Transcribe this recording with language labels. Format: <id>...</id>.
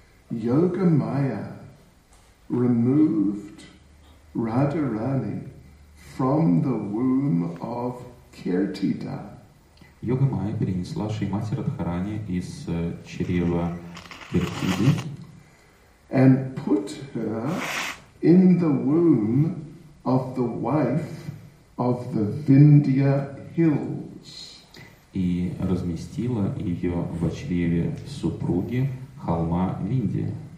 <en>Yoga Maya removed Radharani from the womb of Kirtida.</en> <ru>Йога Майя перенесла Шримати Радхарани из чрева Киртиды.</ru> <en>And put her in the womb of the wife of the Vindhya Hills.</en> <ru>И разместила ее в чреве супруги холма Виндия.</ru>